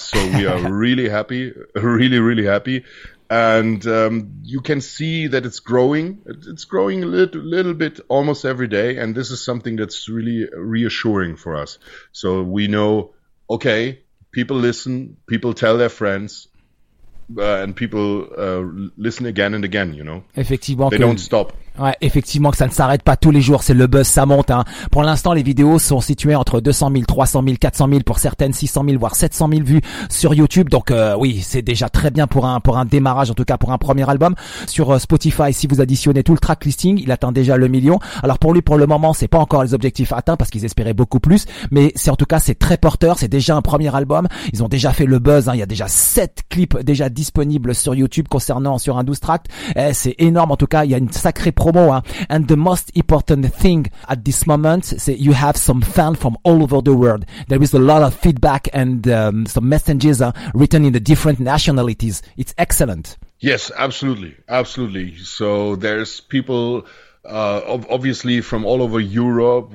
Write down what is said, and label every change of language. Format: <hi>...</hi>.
<en>So we are really happy, really, really happy. And you can see that it's growing. It's growing a little bit almost every day. And this is something that's really reassuring for us. So we know, okay, people listen, people tell their friends, and people listen again and again, you know.</en> <fr>Effectivement.</fr> <en>They don't stop.</en> <fr>Ouais, effectivement que ça ne s'arrête pas tous les jours, c'est le buzz, ça monte, hein. Pour l'instant, les vidéos sont situées entre 200 000, 300 000, 400 000, pour certaines 600 000, voire 700 000 vues sur YouTube. Donc, oui, c'est déjà très bien pour un démarrage, en tout cas pour un premier album. Sur Spotify, si vous additionnez tout le track listing, il atteint déjà le million. Alors pour lui, pour le moment, c'est pas encore les objectifs atteints parce qu'ils espéraient beaucoup plus. Mais c'est en tout cas, c'est très porteur, c'est déjà un premier album. Ils ont déjà fait le buzz, hein. Il y a déjà 7 clips déjà disponibles sur YouTube concernant sur un 12 track. Eh, c'est énorme, en tout cas, il y a une sacrée promo, hein.</fr> <en>And the most important thing at this moment, c'est you have some fans from all over the world. There is a lot of feedback and some messages written in the different nationalities. It's excellent. Yes, absolutely, absolutely. So there's people, obviously from all over Europe.</en>